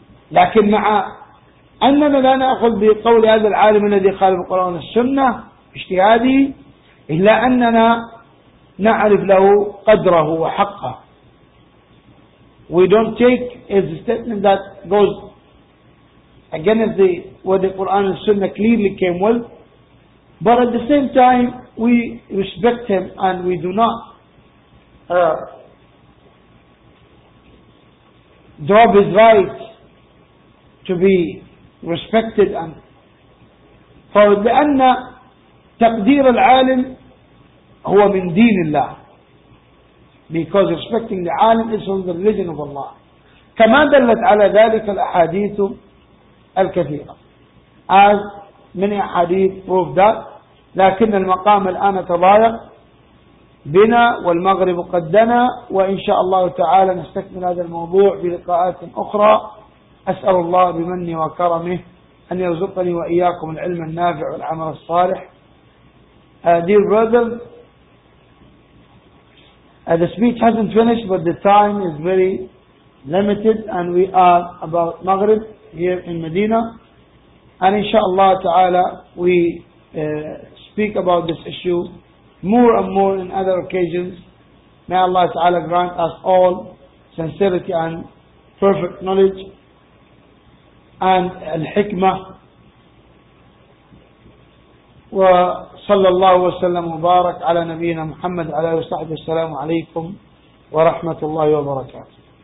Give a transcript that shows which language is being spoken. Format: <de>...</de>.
<ar>لكن مع أننا لا نأخذ بقول هذا العالم الذي خالف القرآن والسنة اجتهادي إلا أننا نعرف له قدره وحقه.</ar> <en>We don't take his statement that goes against the what the Quran and Sunnah clearly came well, but at the same time we respect him and we do not drop his right to be respected. And</en> <ar>فلأن تقدير العالم هو من دين الله.</ar> <en>Because respecting the alim is from the religion of Allah.</en> <ar>كما دلت على ذلك الأحاديث الكثيرة.</ar> <en>As many hadith proved that.</en> <ar>لكن المقام الآن تضايق بنا والمغرب قدنا وإن شاء الله تعالى نستكمل هذا الموضوع بلقاءات أخرى. أسأل الله بمنه وكرمه أن يرزقني وإياكم العلم النافع والعمل الصالح.</ar> <en>Dear brother, the speech hasn't finished, but the time is very limited, and we are about Maghrib here in Medina. And inshallah ta'ala, we speak about this issue more and more in other occasions. May Allah ta'ala grant us all sincerity and perfect knowledge and al-hikmah.</en> <ar>وصلى الله وسلم وبارك على نبينا محمد عليه الصلاة والسلام. عليكم ورحمة الله وبركاته.</ar>